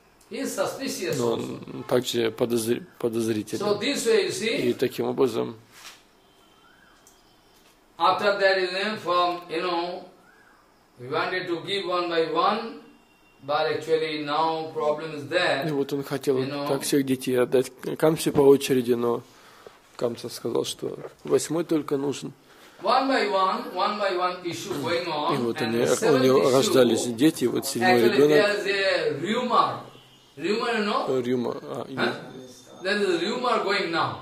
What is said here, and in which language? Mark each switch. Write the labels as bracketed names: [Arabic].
[Russian] Но он также подозрителен. [English] So this way you see, [Russian] и таким образом, [English] after that you learn from, you know, we wanted to give one by one, but actually now problem is there. [Russian] И вот он хотел так всех детей отдать Камсе по очереди, но Камса сказал, что восьмой только нужен. [English] One by one issue going on. [Russian] И вот они, у него рождались дети, вот седьмой ребенок. [English] Rumor going now.